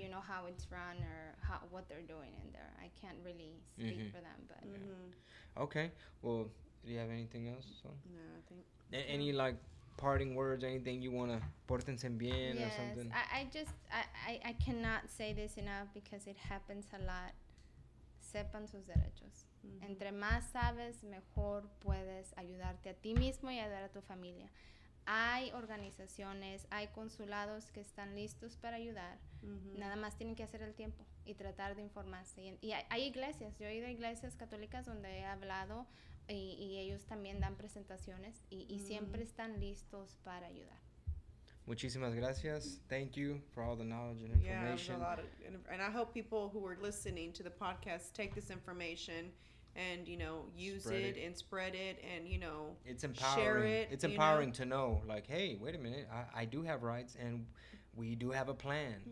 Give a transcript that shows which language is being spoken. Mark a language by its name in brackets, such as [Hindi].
[English] you know how it's run or what they're doing in there. I can't really speak mm-hmm. for them, but mm-hmm. yeah. Okay. Well, do you have anything else? No, I think. Any like parting words? Anything you wanna [Spanish] portense bien [English] yes, or something? Yes, I cannot say this enough, because it happens a lot. [Spanish] Sepan sus derechos. Mm-hmm. Entre más sabes, mejor puedes ayudarte a ti mismo y ayudar a tu familia. Hay organizaciones, hay consulados que están listos para ayudar. Mm-hmm. Nada más tienen que hacer el tiempo y tratar de informarse. Y hay iglesias. Yo he ido a iglesias católicas donde he hablado y ellos también dan presentaciones y mm-hmm. siempre están listos para ayudar. Muchísimas gracias. [English] Thank you for all the knowledge and information. Yeah, there's a lot of, and I hope people who are listening to the podcast take this information and, you know, use it and spread it and, you know, it's empowering. Share it. It's empowering know? To know, like, hey, wait a minute, I do have rights and we do have a plan.